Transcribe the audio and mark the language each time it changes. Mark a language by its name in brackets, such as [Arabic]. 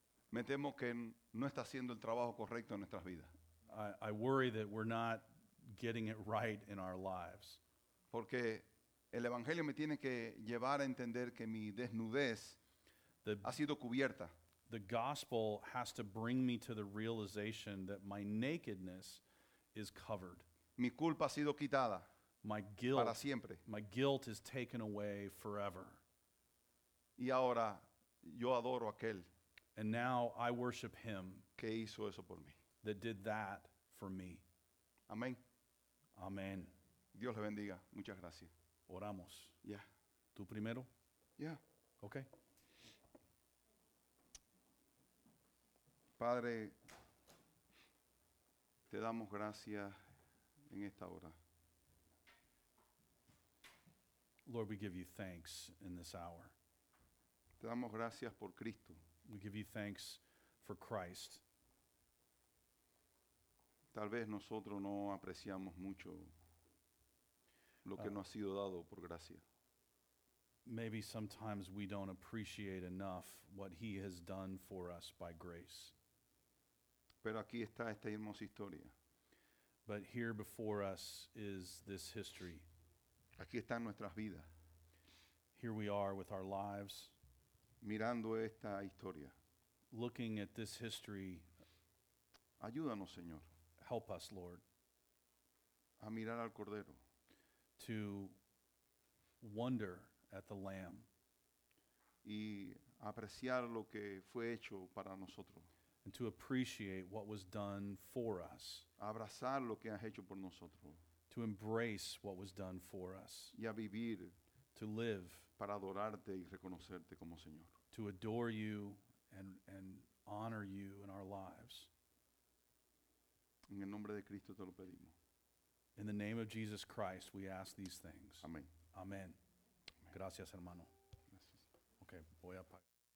[Spanish] me temo que no está haciendo el trabajo correcto en nuestras vidas. [English] I worry that we're not getting it right in our lives. [Spanish] Porque el evangelio me tiene que llevar a entender que mi desnudez ha sido cubierta. [English] The gospel has to bring me to the realization that my nakedness is covered. [Spanish] Mi culpa ha sido quitada. [English] My guilt, [Spanish] para siempre. [English] My guilt is taken away forever. [Spanish] Y ahora, yo adoro aquel. [English] And now I worship him que hizo eso por mí. That did that for me. [Spanish] Amén. Amén. Dios le bendiga. Muchas gracias. Oramos. [English] Yeah. [Spanish] ¿Tú primero? [English] Yeah. Okay. [Spanish] Padre, te damos gracias en esta hora. [English] Lord, we give you thanks in this hour. [Spanish] Te damos gracias por Cristo. [English] We give you thanks for Christ. [Spanish] Tal vez nosotros no apreciamos mucho lo que nos ha sido dado por gracia. [English] Maybe sometimes we don't appreciate enough what he has done for us by grace. [Spanish] Pero aquí está esta hermosa historia. [English] But here before us is this history. [Spanish] Aquí están nuestras vidas. [English] Here we are with our lives. [Spanish] Mirando esta historia. [English] Looking at this history. [Spanish] Ayúdanos, Señor. [English] Help us, Lord. [Spanish] A mirar al Cordero. [English] To wonder at the Lamb. [Spanish] Y apreciar lo que fue hecho para nosotros. [English] And to appreciate what was done for us. [Spanish] Abrazar lo que has hecho por nosotros. [English] To embrace what was done for us. [Spanish] Y a vivir. [English] To live. [Spanish] Para adorarte y reconocerte como Señor. [English] To adore you and honor you in our lives. [Spanish] En el nombre de Cristo te lo pedimos. [English] In the name of Jesus Christ, we ask these things. [Spanish] Amén. Amén. Amén. Gracias, hermano. Gracias. Okay, voy a apagar.